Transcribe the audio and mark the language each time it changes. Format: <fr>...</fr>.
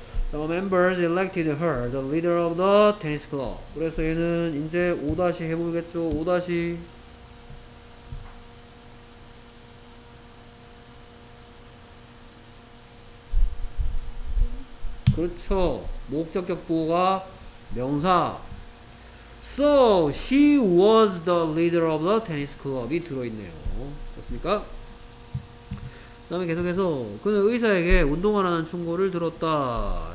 <en>The members elected her, the leader of the tennis club.</en> <ko>그래서 얘는 이제 5- 해보겠죠. 5- 그렇죠. 목적격 보호가 명사.</ko> <en>So, she was the leader of the tennis club이</en> <ko>들어있네요. 맞습니까? 그 다음에 계속해서 그는 의사에게 운동하라는 충고를 들었다.</ko>